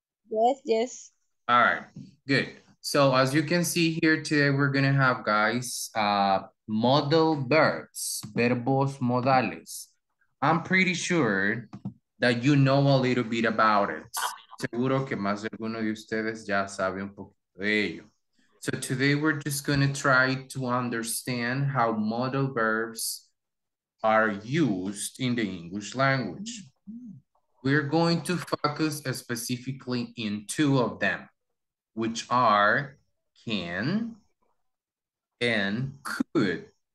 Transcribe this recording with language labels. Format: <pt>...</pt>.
<en>Yes, yes. All right, good. So as you can see here today, we're gonna have, guys, modal verbs,</en> <es>verbos modales.</es> <en>I'm pretty sure that you know a little bit about it.</en> <es>Seguro que más de alguno de ustedes ya sabe un poquito de ello.</es> <en>So today we're just gonna try to understand how modal verbs are used in the English language. We're going to focus specifically in two of them, which are can and could.</en>